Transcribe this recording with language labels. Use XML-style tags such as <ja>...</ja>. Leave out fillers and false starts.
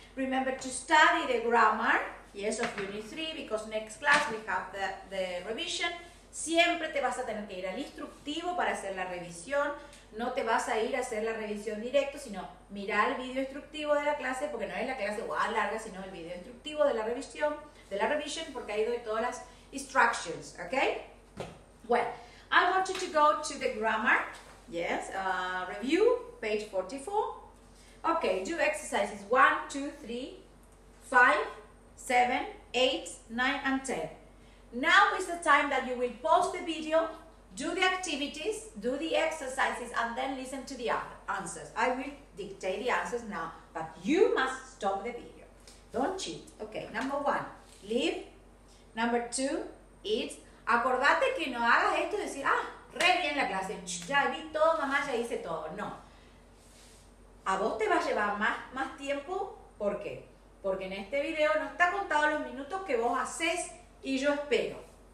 <en>Remember to study the grammar, yes, of unit 3, because next class we have the revision.</en> <es>Siempre te vas a tener que ir al instructivo para hacer la revisión. No te vas a ir a hacer la revisión directo, sino mirar el video instructivo de la clase, porque no es la clase igual larga, sino el video instructivo de la revisión, porque ahí doy todas las instructions, ¿ok?</es> <en>Well, I want you to go to the grammar, yes, review, page 44. Ok, do exercises 1, 2, 3, 5, 7, 8, 9, and 10. Now is the time that you will pause the video Do the activities, do the exercises, and then listen to the answers. I will dictate the answers now, but you must stop the video. Don't cheat. Okay, number one, leave. Number two, eat.</en> <es>Acordate que no hagas esto y decir, ah, re bien la clase, ya vi todo, mamá, ya hice todo. No. A vos te va a llevar más tiempo, ¿por qué? Porque en este video no está contado los minutos que vos haces y yo espero.</es>